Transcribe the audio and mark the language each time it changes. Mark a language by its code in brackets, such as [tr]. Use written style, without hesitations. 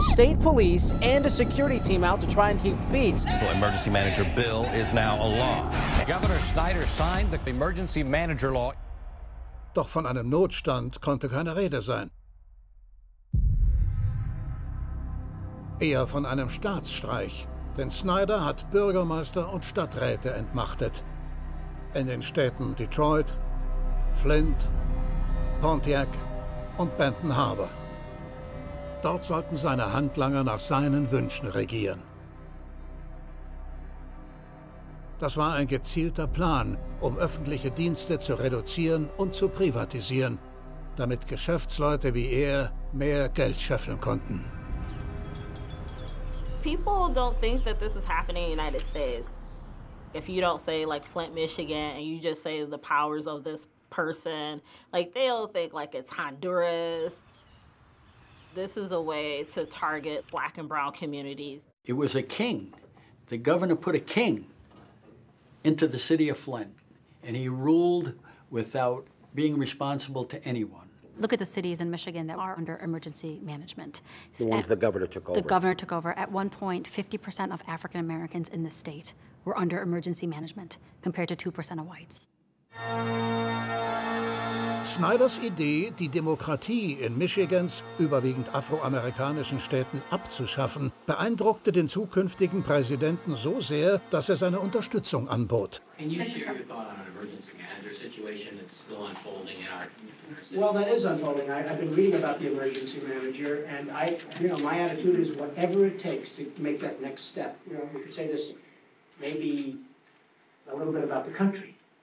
[en] State police and a security team out to try and keep peace. The emergency manager bill is now a law. Governor Snyder signed the emergency manager law. [de] Doch von einem Notstand konnte keine Rede sein. Eher von einem Staatsstreich, denn Snyder hat Bürgermeister und Stadträte entmachtet. In den Städten Detroit, Flint, Pontiac und Benton Harbor. Dort sollten seine Handlanger nach seinen Wünschen regieren. Das war ein gezielter Plan, um öffentliche Dienste zu reduzieren und zu privatisieren, damit Geschäftsleute wie er mehr Geld scheffeln konnten. [en] People don't think that this is happening in the United States. If you don't say like Flint, Michigan, and you just say the powers of this person, like they'll think like it's Honduras. This is a way to target black and brown communities. It was a king. The governor put a king into the city of Flint, and he ruled without being responsible to anyone. Look at the cities in Michigan that are under emergency management. The ones the governor took over. The governor took over. At one point, 50% of African Americans in the state were under emergency management, compared to 2% of whites. [de] Snyders Idee, die Demokratie in Michigans überwiegend afroamerikanischen Städten abzuschaffen, beeindruckte den zukünftigen Präsidenten so sehr, dass er seine Unterstützung anbot. [en] Can you share your thought on an emergency manager situation that's still unfolding in our city? Well, that is unfolding. I've been reading about the emergency manager, and I, you know, my attitude is whatever it takes to make that next step. You know, we could say this maybe a little bit about the country.